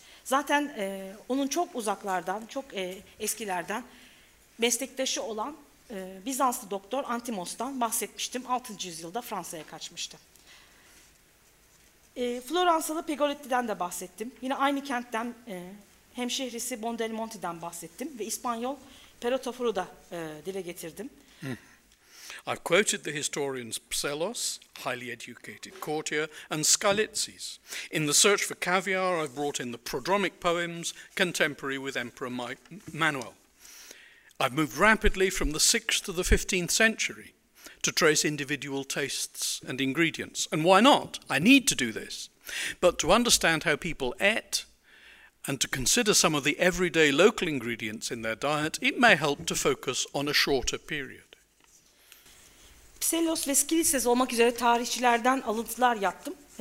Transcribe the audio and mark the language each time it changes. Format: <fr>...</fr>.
<tr>Zaten onun çok uzaklardan, çok eskilerden meslektaşı olan Bizanslı doktor Antimos'tan bahsetmiştim. 6. yüzyılda Fransa'ya kaçmıştı. Floransalı Pegoletti'den de bahsettim. Yine aynı kentten hemşehrisi Buondelmonti'den bahsettim. Ve İspanyol Perrotafur'u da dile getirdim.</tr> <en>I've quoted the historians Psellos, highly educated courtier, and Skalitzes. In the search for caviar, I've brought in the prodromic poems contemporary with Emperor Manuel. I've moved rapidly from the 6th to the 15th century to trace individual tastes and ingredients. And why not? I need to do this. But to understand how people ate and to consider some of the everyday local ingredients in their diet, it may help to focus on a shorter period.</en> <tr>Pselos ve Skilises olmak üzere tarihçilerden alıntılar yaptım.</tr>